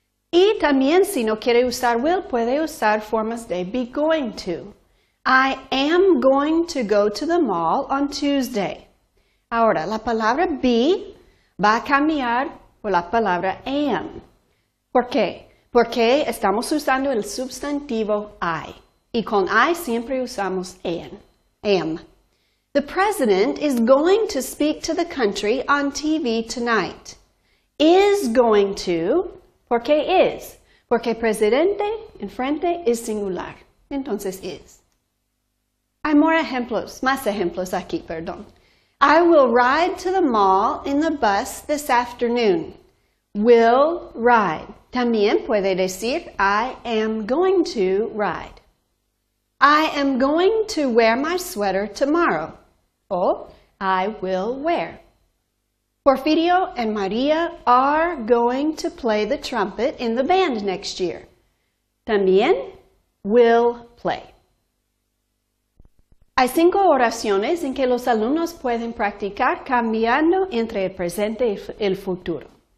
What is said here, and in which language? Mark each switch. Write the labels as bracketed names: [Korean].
[Spanish] Y también, si no quiere usar will, puede usar formas de [English] be going to. I am going to go to the mall on Tuesday. [Spanish] Ahora, la palabra be va a cambiar por la palabra am. ¿Por qué? Porque estamos usando el sustantivo I. Y con I siempre usamos am. [English] The president is going to speak to the country on TV tonight. Is going to, [Spanish] ¿por qué is? Porque presidente, enfrente, es singular. Entonces, is. Hay más ejemplos aquí, perdón. [English] I will ride to the mall in the bus this afternoon. Will ride. [Spanish] También puede decir, [English] I am going to ride. I am going to wear my sweater tomorrow. O, I will wear. Porfirio and Maria are going to play the trumpet in the band next year. También will play. [Spanish] Hay cinco oraciones en que los alumnos pueden practicar cambiando entre el presente y el futuro.